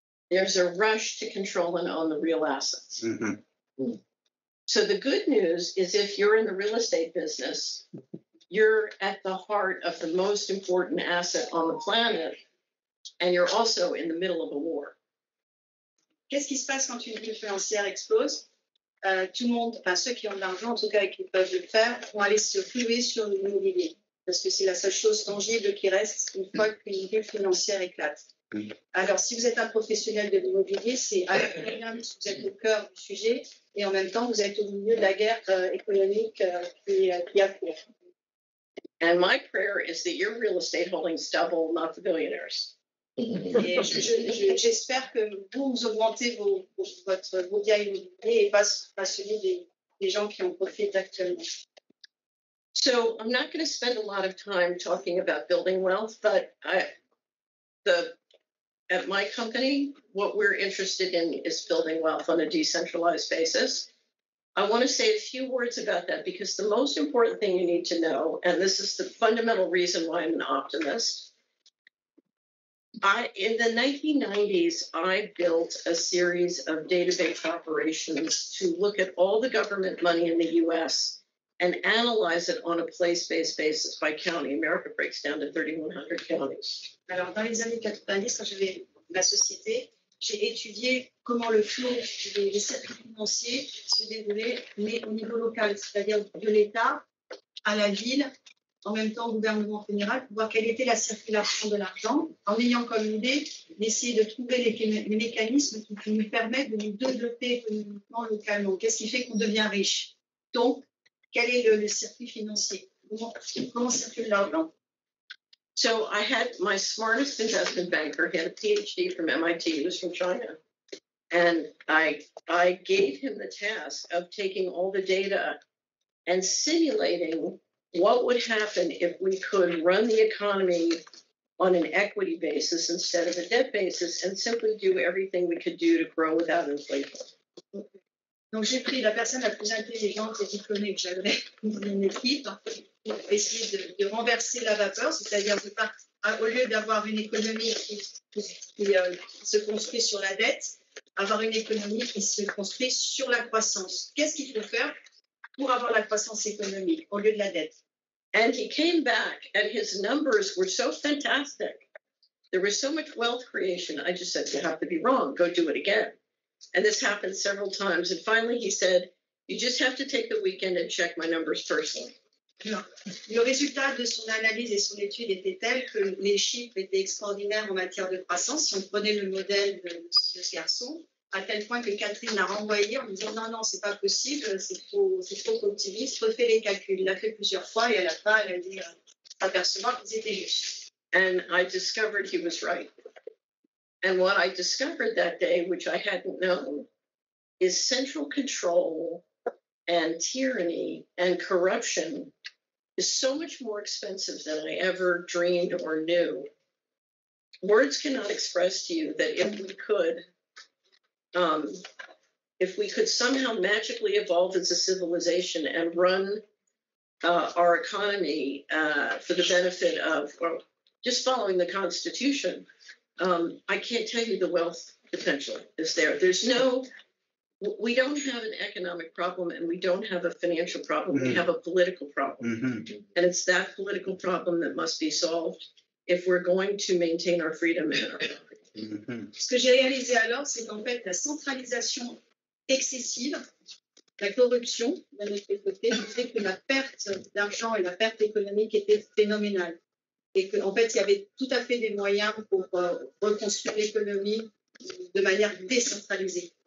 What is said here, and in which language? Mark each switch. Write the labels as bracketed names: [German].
[English] There's a rush to control and own the real assets. So the good news is if you're in the real estate business, you're at the heart of the most important asset on the planet, and you're also in the middle of a war. [French] Qu'est-ce qui se passe quand une bulle financière explose? Tout le monde, enfin ceux qui ont de l'argent, en tout cas, et qui peuvent le faire, vont aller se ruer sur l'immobilier. Parce que c'est la seule chose tangible qui reste une fois qu'une bulle financière éclate. Alors, si vous êtes un professionnel de l'immobilier, c'est incroyable parce que vous êtes au cœur du sujet et en même temps, vous êtes au milieu de la guerre économique qui a cours. [English] And my prayer is that your real estate holdings double, not the billionaires. [French] J'espère que vous augmentez vos biens immobiliers et pas celui des gens qui en profitent actuellement. [English] So I'm not going to spend a lot of time talking about building wealth, but at my company, what we're interested in is building wealth on a decentralized basis. I want to say a few words about that because the most important thing you need to know, and this is the fundamental reason why I'm an optimist. In the 1990s, I built a series of database operations to look at all the government money in the US and analyze it on a place-based basis by county. America breaks down to 3,100 counties. [French] Alors, dans les années 90, quand j'avais ma société, j'ai étudié comment le flux des circuits financiers se déroulait, mais au niveau local, c'est-à-dire de l'État à la ville, en même temps au gouvernement fédéral, pour voir quelle était la circulation de l'argent, en ayant comme idée d'essayer de trouver les mécanismes qui nous permettent de nous développer économiquement localement. Qu'est-ce qui fait qu'on devient riche? Donc, quel est le circuit financier? Comment circule l'argent? [English] So I had my smartest investment banker. He had a PhD from MIT. He was from China. And I gave him the task of taking all the data and simulating what would happen if we could run the economy on an equity basis instead of a debt basis and simply do everything we could do to grow without inflation. [French] Donc j'ai pris la personne la plus intelligente et diplômée que j'avais dans mon équipe pour essayer de renverser la vapeur, c'est-à-dire de pas, au lieu d'avoir une économie qui se construit sur la dette, avoir une économie qui se construit sur la croissance. Qu'est-ce qu'il faut faire pour avoir la croissance économique au lieu de la dette? [English] And he came back and his numbers were so fantastic. There was so much wealth creation. I just said, you have to be wrong. Go do it again. And this happened several times. And finally, he said, you just have to take the weekend and check my numbers personally. [French] Non. Le résultat de son analyse et son étude était tel que les chiffres étaient extraordinaires en matière de croissance, si on prenait le modèle de ce garçon, à tel point que Catherine l'a renvoyé en disant, non, c'est pas possible, c'est trop optimiste, refais les calculs. Il l'a fait plusieurs fois et à la fin, elle a dit, apercevant qu'ils étaient justes. [English] And I discovered he was right. And what I discovered that day, which I hadn't known, is central control and tyranny and corruption is so much more expensive than I ever dreamed or knew. Words cannot express to you that if we could somehow magically evolve as a civilization and run our economy for the benefit of, well, just following the Constitution, I can't tell you the wealth potential is there. There's no, we don't have an economic problem and we don't have a financial problem. Mm-hmm. We have a political problem. Mm-hmm. And it's that political problem that must be solved if we're going to maintain our freedom and our property. Mm-hmm. [French] Ce que j'ai réalisé alors, c'est qu'en fait, la centralisation excessive, la corruption de notre côté, fait que la perte d'argent et la perte économique était phénoménale. Et qu'en fait, il y avait tout à fait des moyens pour reconstruire l'économie de manière décentralisée.